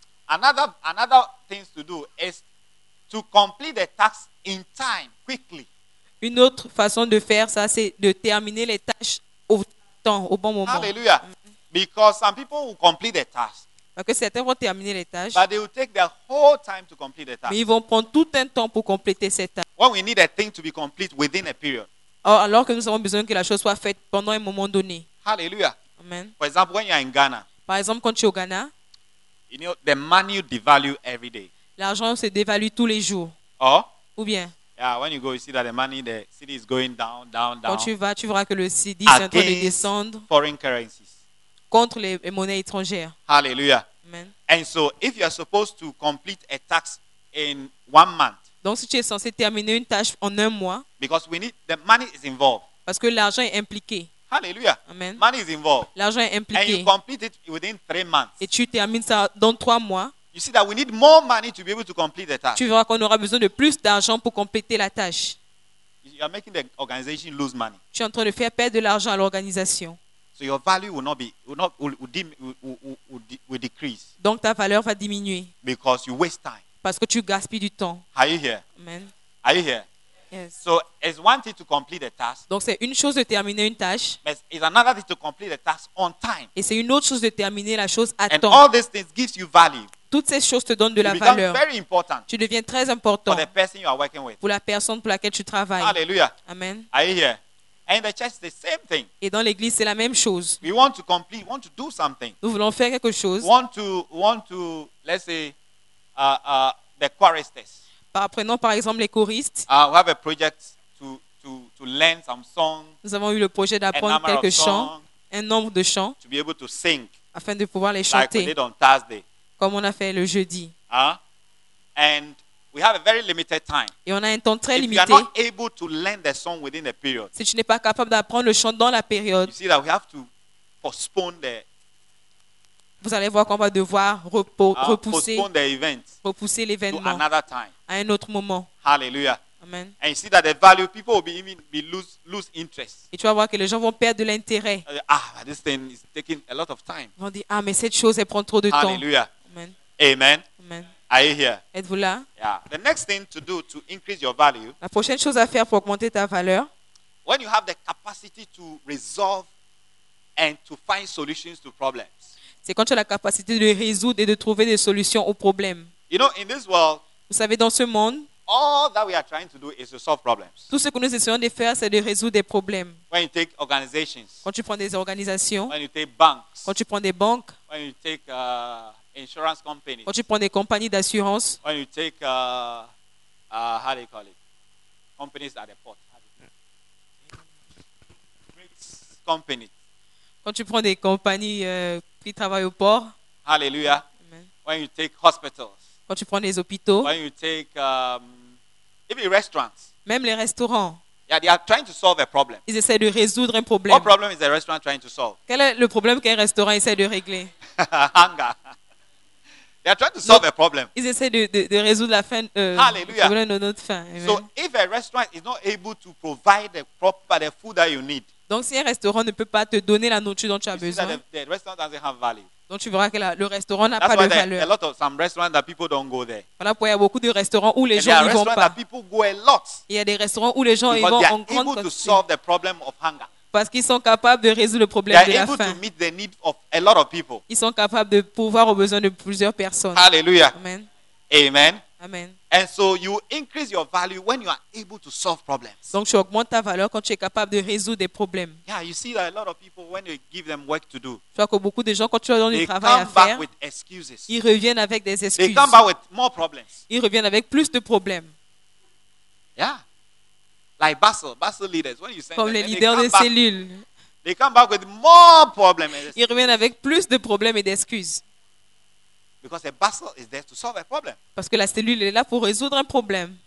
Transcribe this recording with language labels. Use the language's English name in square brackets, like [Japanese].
[English] Another thing to do is to complete the task in time, quickly. [French] Une autre façon de faire ça, c'est de terminer les tâches au temps, au bon moment. [English] Hallelujah. Because some people will complete the task. [French] Parce que certains vont terminer les tâches. [English] But they will take their whole time to complete the task. [French] Mais ils vont prendre tout un temps pour compléter cette tâche. [English] When we need a thing to be complete within a period. [French] Alors que nous avons besoin que la chose soit faite pendant un moment donné. [English] Hallelujah. Amen. For example, when you are in Ghana. [French] Par exemple, quand tu es au Ghana. [English] You know, the money you devalue every day. [French] L'argent se dévalue tous les jours. Oh. Ou bien. [English] Yeah, when you go, you see that the money, the city is going down, down, down. [French] Quand tu vas, tu verras que le city est en train de descendre. [English] Foreign currencies. [French] Contre les monnaies étrangères. [English] Hallelujah. Amen. And so, if you are supposed to complete a task in 1 month. [French] Donc, si tu es censé terminer une tâche en un mois. [English] Because we need the money is involved. [French] Parce que l'argent est impliqué. [English] Hallelujah. Amen. Money is involved. [French] L'argent est impliqué. [English] And you complete it within 3 months. [French] Et tu termines ça dans 3 mois. [English] You see that we need more money to be able to complete the task. [French] Tu verras qu'on aura besoin de plus d'argent pour compléter la tâche. [English] You are making the organization lose money. [French] Tu es en train de faire perdre de l'argent à l'organisation. [English] So your value will decrease. [French] Donc ta valeur va diminuer. [English] Because you waste time. [French] Parce que tu gaspilles du temps. [English] Are you here? Amen. Are you here? Yes. So it's one thing to complete the task. [French] Donc c'est une chose de terminer une tâche. [English] But it's another thing to complete the task on time. [French] Et c'est une autre chose de terminer la chose à [English] and [French] temps. [English] And all these things gives you value. [French] Toutes ces choses te donnent de [English] you [French] la valeur. [English] Very important. [French] Tu deviens très important. [English] For the person you are working with. [French] Pour la personne pour laquelle tu travailles. [English] Hallelujah. Amen. Are you here? And the church, the same thing. [French] Et dans l'église, c'est la même chose. [English] We want to complete, want to do something. [French] Nous voulons faire quelque chose. [English] Want to, let's say, the choristers. [French] Prenons par exemple les choristes. [English] We have a project to learn some songs. [French] Nous avons eu le projet d'apprendre quelques chants, un nombre de chants. [English] To be able to sing. [French] Afin de pouvoir les chanter. [English] Like we did on Thursday. [French] Comme on a fait le jeudi. [English] And we have a very limited time. [French] Et on a un temps très [English] if [French] limité. [English] You are not able to learn the song within the period. [French] Si tu n'es pas capable d'apprendre le chant dans la période. [English] You see that we have to postpone the. [French] Vous allez voir qu'on va devoir repousser. [English] Postpone the event. [French] Repousser l'événement. [English] To another time. [French] À un autre moment. [English] Hallelujah. Amen. And you see that the value people will be even be lose interest. [French] Et tu vas voir que les gens vont perdre de l'intérêt. [English] This thing is taking a lot of time. [French] Ils vont dire mais cette chose elle prend trop de [English] Hallelujah. [French] Temps. [English] Hallelujah. Amen. Amen. Amen. Are you here? [French] Êtes-vous là? [English] Yeah. The next thing to do to increase your value. [French] La prochaine chose à faire pour augmenter ta valeur. [English] When you have the capacity to resolve and to find solutions to problems. [French] C'est quand tu as la capacité de résoudre et de trouver des solutions aux problèmes. [English] You know, in this world. [French] Vous savez, dans ce monde. [English] All that we are trying to do is to solve problems. [French] Tout ce que nous essayons de faire, c'est de résoudre des problèmes. [English] When you take organizations. [French] Quand tu prends des organisations. [English] When you take banks. [French] Quand tu prends des banques. [English] When you take insurance companies. [French] Quand tu prends des compagnies d'assurance. [English] When you take how do you call it? Companies at the port. Great companies. [French] Quand tu prends des compagnies qui travaillent au port. [English] Hallelujah. Amen. When you take hospitals. [French] Quand tu prends des hôpitaux. [English] When you take even restaurants. [French] Même les restaurants. [English] Yeah, they are trying to solve a problem. [French] Ils essaient de résoudre un problème. [English] What problem is a restaurant trying to solve? [French] Quel est le problème qu'un restaurant essaie de régler? [English] Hunger. They are trying to solve a problem. [French] Ils essaient de résoudre la faim. [English] Hallelujah. [French] Problème de notre faim. [English] Amen. So if a restaurant is not able to provide the food that you need. [French] Donc si un restaurant ne peut pas te donner la nourriture dont tu as besoin. [English] The restaurant doesn't have value. [French] Donc tu verras que le restaurant n'a [English] That's [French] pas [English] why there [French] valeur. [English] A lot of some restaurants that people don't go there. [French] Voilà pourquoi il y a beaucoup de restaurants où les [English] And [French] gens n'y vont pas. [English] That people go a lot. [French] Il y a des restaurants où les gens y vont en grande quantité. [English] Because they are able to solve the problem of hunger. [French] parce qu'ils sont capables de résoudre le problème de la faim. [English] To meet the need of a lot of people. [French] Ils sont capables de pouvoir aux besoins de plusieurs personnes. Alléluia. [English] Amen. Amen. Amen. And so you increase your value when you are able to solve problems. [French] Donc tu augmentes ta valeur quand tu es capable de résoudre des problèmes. [English] Yeah, you see that a lot of people when you give them work to do. [French] Tu vois que beaucoup de gens quand tu leur donnes du travail à faire, [English] with excuses. [French] Ils reviennent avec des excuses. [English] They come back with more problems. [French] Ils reviennent avec plus de problèmes. [English] Yeah. Like Basel leaders when you send [French] comme [English] them, [French] les leaders de cellules. [English] They come back with more problems. [French] Ils reviennent avec plus de problèmes et d'excuses. [English] Because a Basel is there to solve a problem. [French] Parce que la cellule est là pour résoudre un problème.